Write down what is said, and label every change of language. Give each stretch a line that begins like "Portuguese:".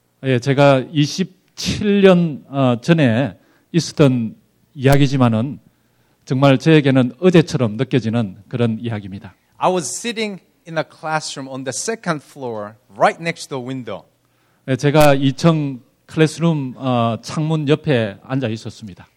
Korean: 예, 제가 27년 전에 있었던 이야기지만은 정말 저에게는 어제처럼 느껴지는 그런 이야기입니다.
English: I was sitting in a classroom on the second floor right next to the window.
Korean: 예, 제가 2층 클래스룸 창문 옆에 앉아 있었습니다.